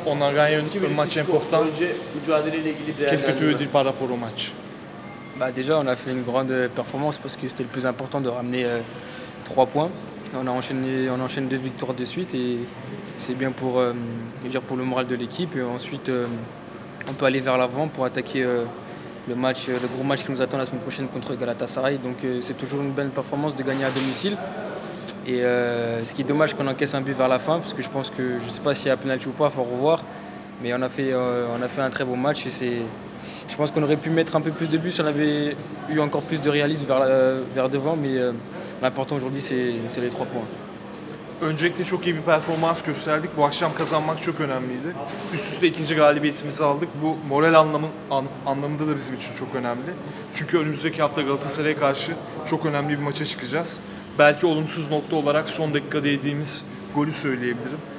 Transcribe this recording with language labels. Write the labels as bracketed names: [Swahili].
[Turkish] Ondan gayet önemli bir maç important. Önce mücadeleyle ilgili bir değerlendirme. [French] Qu'est-ce que tu veux dire par rapport au match? Bah déjà on a fait une grande performance parce que c'était le plus important de ramener 3 points. On enchaîne 2 victoires de suite et c'est bien pour le moral de l'équipe. Et ensuite on peut aller vers l'avant pour attaquer le gros match qui nous attend la semaine prochaine contre Galatasaray. Donc c'est toujours une belle performance de gagner à domicile. Et ce qui est dommage qu'on encaisse un but vers la fin, parce que je pense que je ne sais pas s'il y a penalty ou pas, il faut revoir. Mais on a fait un très bon match et c'est. Je pense qu'on aurait pu mettre un peu plus de buts si on avait eu encore plus de réalisme vers devant, mais l'important aujourd'hui c'est les 3 points. [Turkish] Öncelikle çok iyi bir performans gösterdik. Bu akşam kazanmak çok önemliydi. Üst üste ikinci galibiyetimizi aldık. Bu moral anlamında da bizim için çok önemli. Çünkü önümüzdeki hafta Galatasaray'a karşı çok önemli bir maça çıkacağız. Belki olumsuz nokta olarak son dakikada yediğimiz golü söyleyebilirim.